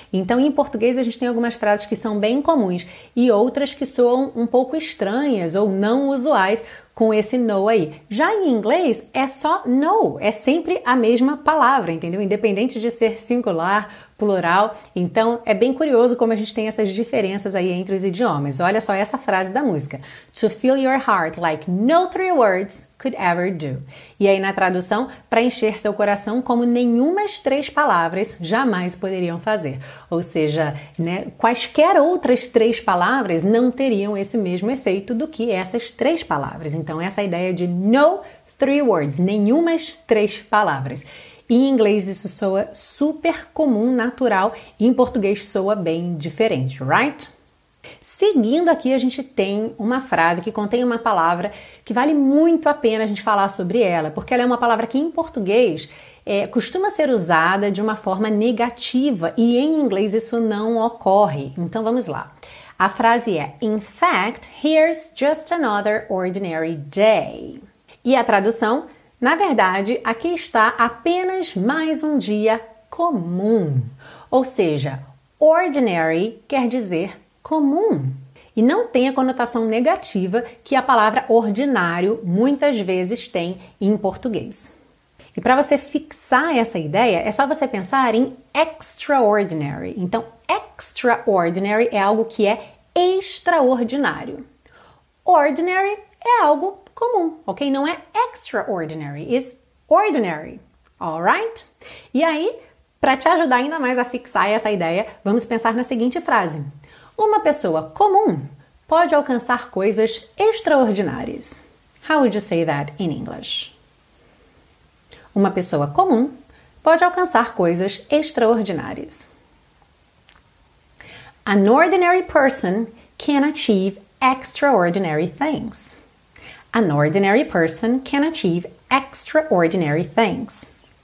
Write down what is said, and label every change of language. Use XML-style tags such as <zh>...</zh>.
<pt>Então, em português, a gente tem algumas frases que são bem comuns e outras que soam um pouco estranhas ou não usuais com esse no aí. Já em inglês, é só no, é sempre a mesma palavra, entendeu? Independente de ser singular, plural. Então, é bem curioso como a gente tem essas diferenças aí entre os idiomas. Olha só essa frase da música.</pt> <en>To fill your heart like no three words could ever do.</en> <pt>E aí, na tradução, para encher seu coração como nenhumas três palavras jamais poderiam fazer. Ou seja, né, quaisquer outras três palavras não teriam esse mesmo efeito do que essas três palavras. Então, essa ideia de no three words, nenhumas três palavras. Em inglês isso soa super comum, natural, e em português soa bem diferente, right? Seguindo aqui, a gente tem uma frase que contém uma palavra que vale muito a pena a gente falar sobre ela, porque ela é uma palavra que em português costuma ser usada de uma forma negativa e em inglês isso não ocorre. Então vamos lá. A frase é,</pt> <en>in fact, here's just another ordinary day.</en> <pt>E a tradução, na verdade, aqui está apenas mais um dia comum. Ou seja, ordinary quer dizer comum. E não tem a conotação negativa que a palavra ordinário muitas vezes tem em português. E para você fixar essa ideia, é só você pensar em extraordinary. Então, extraordinary é algo que é extraordinário. Ordinary é algo comum, ok? Não é extraordinary,</pt> <en>is ordinary, alright?</en> <pt>E aí, para te ajudar ainda mais a fixar essa ideia, vamos pensar na seguinte frase. Uma pessoa comum pode alcançar coisas extraordinárias.</pt> <en>How would you say that in English?</en> <pt>Uma pessoa comum pode alcançar coisas extraordinárias.</pt> <en>An ordinary person can achieve extraordinary things. An ordinary person can achieve extraordinary things.</en>